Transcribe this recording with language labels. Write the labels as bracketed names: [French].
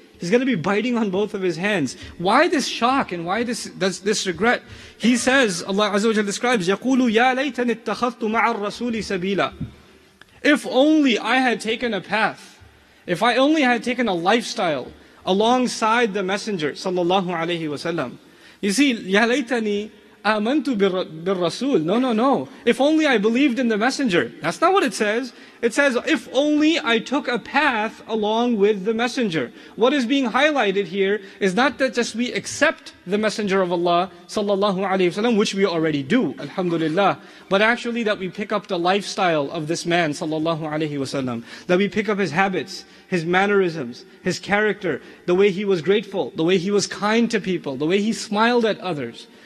[English] He's going to be biting on both of his hands. Why this shock and why this regret? He says, Allah Azza wa Jalla describes, [Arabic] يَقُولُ يَا لَيْتَنِ اتَّخَذْتُ مَعَ الرَّسُولِ سَبِيلًا. [English] If only I had taken a path, if I only had taken a lifestyle alongside the Messenger sallallahu alayhi wa sallam. You see, [Arabic] يَا لَيْتَنِي آمَنْتُ بِالرَّسُولِ. [English] No, no, no. If only I believed in the Messenger. That's not what it says. It says, if only I took a path along with the Messenger. What is being highlighted here is not that just we accept the Messenger of Allah sallallahu alayhi wa sallam, which we already do, alhamdulillah, but actually that we pick up the lifestyle of this man sallallahu alayhi wa sallam, that we pick up his habits, his mannerisms, his character, the way he was grateful, the way he was kind to people, the way he smiled at others,